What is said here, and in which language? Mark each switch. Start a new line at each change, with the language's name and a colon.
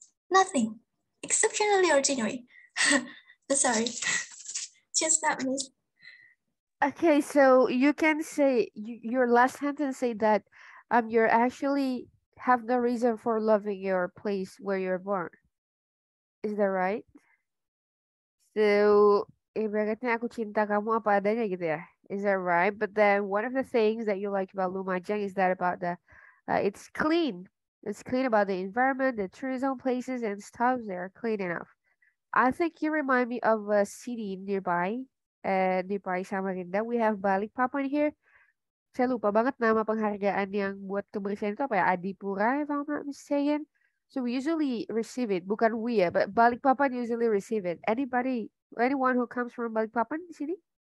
English: Nothing. Exceptionally ordinary. Sorry. Just that means. Okay, so you can say, your last sentence say that you're actually have no reason for loving your place where you're born. Is that right?
Indonesian: So, ibaratnya aku cinta kamu apa adanya gitu ya.
English: Is that right? But then one of the things that you like about Lumajang is that about the, it's clean. It's clean about the environment, the tourism places and stuff. They are clean enough. I think you remind me of a city nearby. Nearby Samarinda. We have Balikpapan here.
Indonesian: Saya lupa banget nama penghargaan yang buat kebersihan itu apa ya.
English: Adipura, if I'm not mistaken. So we usually receive it.
Indonesian: Bukan we ya,
English: but Balikpapan usually receive it. Anybody, anyone who comes from Balikpapan
Indonesian: di sini?